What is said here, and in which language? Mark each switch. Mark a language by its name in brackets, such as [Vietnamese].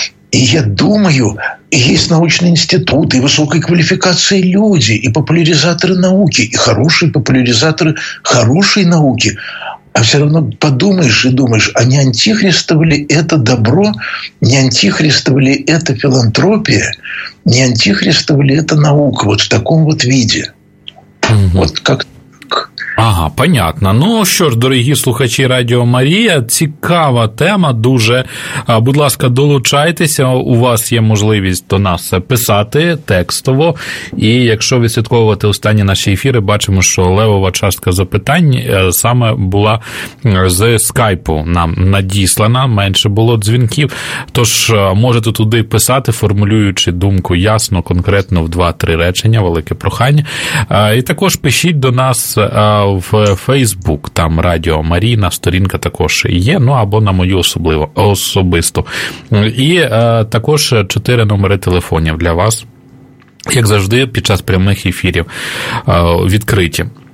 [Russian] И я думаю, есть научные институты, и высокой квалификации люди, и популяризаторы науки, и хорошие популяризаторы хорошей науки. А все равно подумаешь и думаешь, а не антихристово ли это добро, не антихристово ли это филантропия, не антихристово ли это наука вот в таком вот виде. Вот как. Ага, понятно. [Ukrainian] Ну що ж, дорогі слухачі Радіо Марія, цікава тема дуже. Будь ласка, долучайтеся. У вас є можливість до нас писати текстово. І якщо відслідковувати останні наші ефіри, бачимо, що левова частка запитань саме була з скайпу нам надіслана. Менше було дзвінків. Тож можете туди писати, формулюючи думку ясно, конкретно в 2-3 речення. Велике прохання. І також пишіть до нас в Facebook, там Радіо Марійна, сторінка також є, ну або на мою особисту. І також 4 номери телефонів для вас, як завжди, під час прямих ефірів відкриті.